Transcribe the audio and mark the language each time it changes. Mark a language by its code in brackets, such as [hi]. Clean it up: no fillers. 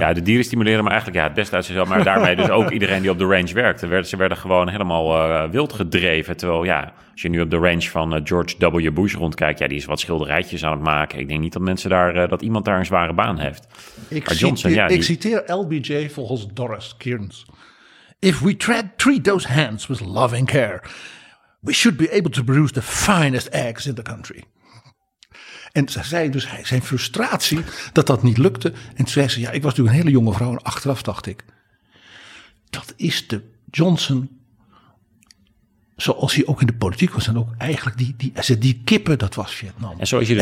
[nl] Ja, de dieren stimuleren, maar eigenlijk ja, het beste uit zichzelf. Maar daarmee dus ook iedereen die op de ranch werkte. Ze werden gewoon helemaal wild gedreven. Terwijl ja, als je nu op de ranch van George W. Bush rondkijkt, ja, die is wat schilderijtjes aan het maken. Ik denk niet dat mensen daar dat iemand daar een zware baan heeft. Ik citeer LBJ volgens Doris Kearns. [en] If we treat those hands with love and care, we should be able to produce the finest eggs in the country. [nl] En ze zei dus zijn frustratie dat niet lukte. En toen zei ze, ja, ik was natuurlijk een hele jonge vrouw en achteraf dacht ik, dat is de Johnson zoals hij ook in de politiek was. En ook eigenlijk die kippen, dat was Vietnam. En zoals je dus